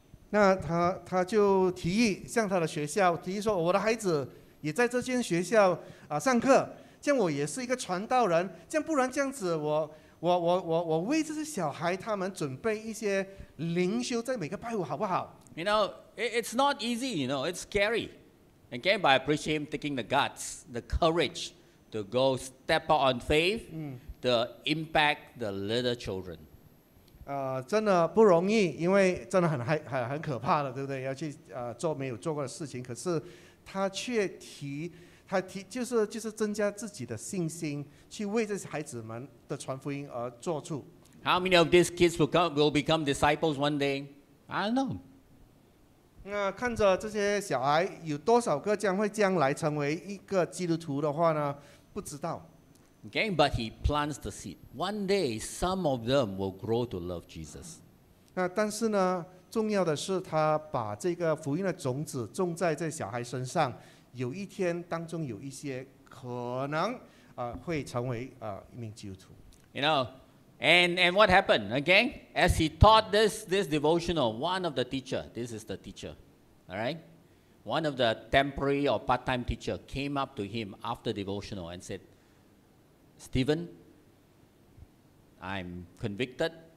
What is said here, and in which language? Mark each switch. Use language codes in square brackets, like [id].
[zh] 那 他就提议向他的学校提议说，我的孩子也在这间学校、上课，这样我也是一个传道人，这样不然这样子我为这些小孩他们准备一些灵修在每个拜五好不好？ [en] You know, it's not easy, you know, it's scary. Again, but I appreciate him taking the guts, the courage to go step out on faith to impact the little children. [zh] 真的不容易，因为真的 很可怕的，对不对？要去、做没有做过的事情，可是他却提他提就是增加自己的信心，去为这些孩子们的传福音而做出。 [en] How many of these kids will become disciples one day? I don't know. [zh] 那看着这些小孩，有多少个将来成为一个基督徒的话呢？不知道。 [en] Okay, but he plants the seed. One day, some of them will grow to love Jesus. [zh] 那但是呢，重要的是他把这个福音的种子种在这小孩身上。有一天当中有一些可能、会成为、一名基督徒。 [en] You know, and what happened? Again, as he taught this devotional, one of the teacher, this is the teacher, all right? One of the temporary or part-time teacher came up to him after devotional and said, Stephen, I'm convicted.